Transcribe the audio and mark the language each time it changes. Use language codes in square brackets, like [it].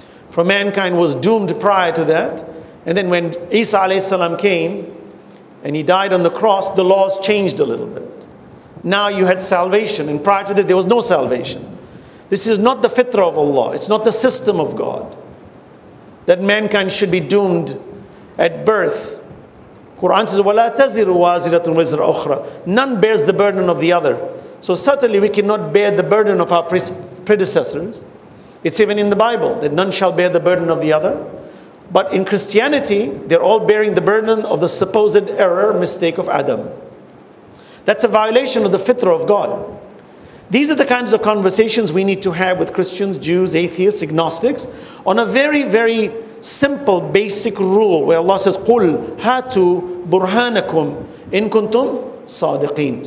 [en] For mankind was doomed prior to that. And then when Isa alayhi salam came and he died on the cross, the laws changed a little bit. Now you had salvation. And prior to that, there was no salvation. This is not the fitrah of Allah. It's not the system of God that mankind should be doomed at birth. [ar] Quran says, وَلَا تَزِرُ وَازِرَةٌ وِزْرَ أُخْرَى. [en] None bears the burden of the other. So certainly we cannot bear the burden of our predecessors. It's even in the Bible that none shall bear the burden of the other. But in Christianity, they're all bearing the burden of the supposed error, mistake of Adam. That's a violation of the fitrah of God. These are the kinds of conversations we need to have with Christians, Jews, atheists, agnostics, on a very, very simple, basic rule where Allah says, [ar] قُلْ هَاتُوا بُرْهَانَكُمْ إِن كُنْتُمْ صَادِقِينَ.